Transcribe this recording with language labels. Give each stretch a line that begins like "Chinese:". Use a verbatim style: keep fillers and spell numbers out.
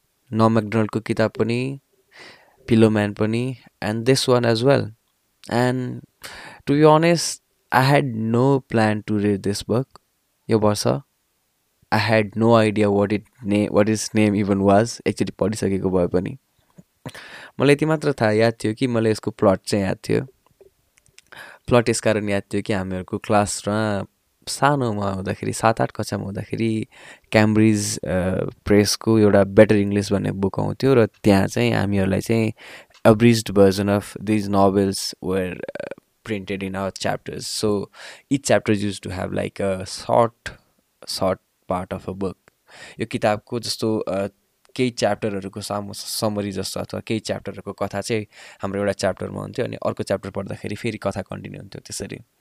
English: Norm Macdonald
Nepali: को किताब पनि,
English: Pillow Man पनि, and this one as well. And to be honest, I had no plan to read this book.
Nepali: यो वर्ष
English: I had no idea what it name, what its name even was.
Nepali: Actually पढिसकेको भए पनि मलाई यति मात्र थाहा याद थियो कि मलाई यसको प्लट चाहिँ याद थियो। प्लट यसकारण याद थियो कि हामीहरूको क्लासमा सानोमा हुँदाखेरि, सात आठ कक्षामा हुँदाखेरि, क्याम्ब्रिज प्रेसको एउटा बेटर इङ्ग्लिस भन्ने बुक आउँथ्यो र त्यहाँ चाहिँ हामीहरूलाई चाहिँ
English: abridged version of these novels were uh, printed in our chapters. So each chapter used to have like a short short part of a book.
Nepali: यो किताबको जस्तो केही च्याप्टरहरूको सामु समरी जस्तो, अथवा केही च्याप्टरहरूको कथा चाहिँ हाम्रो एउटा च्याप्टरमा हुन्थ्यो, अनि अर्को च्याप्टर पढ्दाखेरि फेरि कथा कन्टिन्यू हुन्थ्यो त्यसरी।